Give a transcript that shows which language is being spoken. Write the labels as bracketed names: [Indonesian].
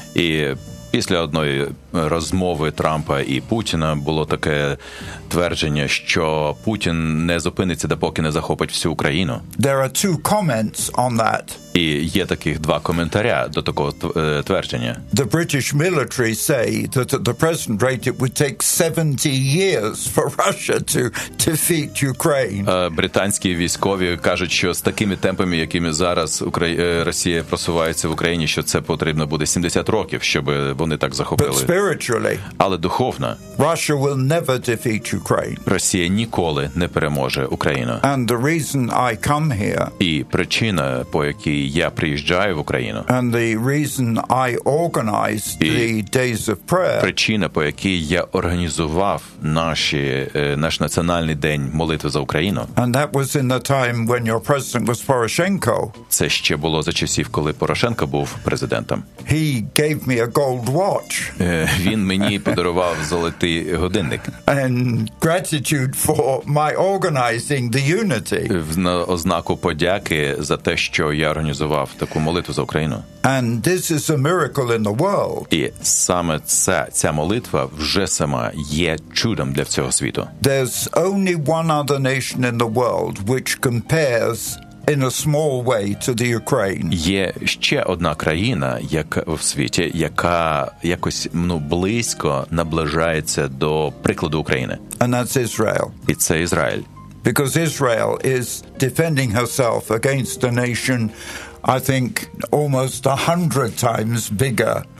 [Ukrainian] І Після одної розмови Трампа і Путіна було таке твердження, що Путін не зупиниться, допоки не захопить всю Україну. [English] There are two comments on that. [Ukrainian] І є таких два коментаря до такого твердження. [English] The British military say that at the present rate it would take 70 years for Russia to defeat Ukraine. [Ukrainian] Британські військові кажуть, що з такими темпами, якими зараз Росія просувається в Україні, що це потрібно буде 70 років, щоб вони так захопили. [English] But spiritually, [Ukrainian] але духовно, [English] Russia will never defeat Ukraine. [Ukrainian] Росія ніколи не переможе Україну. [English] And the reason I come here, [Ukrainian] і причина, по якій і я приїжджаю в Україну. [English] And the reason I organized the days of prayer. [Ukrainian] Причина, по якій я організував наш національний день молитви за Україну. [English] And that was in the time when your president was Poroshenko. [Ukrainian] Це ще було за часів, коли Порошенко був президентом. [English] He gave me a gold watch. [Ukrainian] Він мені подарував золотий годинник. [English] And gratitude for my organizing the unity. [Ukrainian] В ознаку подяки за те, що я організував таку молитву за Україну. [English] And this is a miracle in the world. [Ukrainian] І саме ця молитва вже сама є чудом для всього світу. [English] There's only one other nation in the world which compares in a small way to the Ukraine. [Ukrainian] Є ще одна країна, яка в світі, яка якось, ну, близько наближається до прикладу України. [English] And that's Israel. [Ukrainian] І це Ізраїль. [English] Because Israel is defending herself against a nation, I think, almost 100 times bigger.